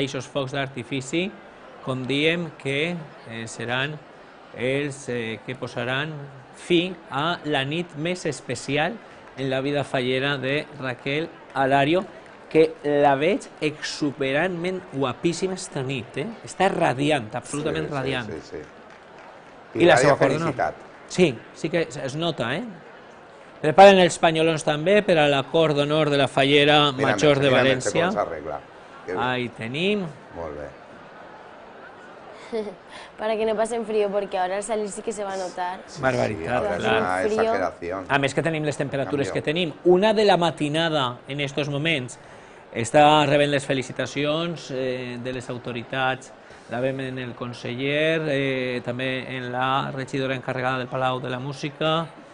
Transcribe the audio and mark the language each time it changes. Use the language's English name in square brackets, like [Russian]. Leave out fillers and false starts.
[Catalan] I aquests focs d'artifici, com diem, que seran els que posaran fi a la nit més especial en la vida fallera de Raquel Alario, que la veig exuberantment guapíssima esta nit, eh? Està radiant, absolutament radiant. Sí, sí, sí. I la seva felicitat. Sí, sí que es nota, eh? Preparen els panyolons també per a l'acord d'honor de la fallera major de València. Mira-me, com s'arregla. Ahí tenim. Molt bé. [Spanish] Para que no pasen frío, porque ahora al salir sí que se va a notar. [Catalan] Barbaritat, clar. [Spanish] Una exageración. [Catalan] A més que tenim les temperatures que tenim. Una de la matinada en estos moments està rebent les felicitacions de les autoritats. La vem en el conseller, també en la regidora encarregada del Palau de la Música.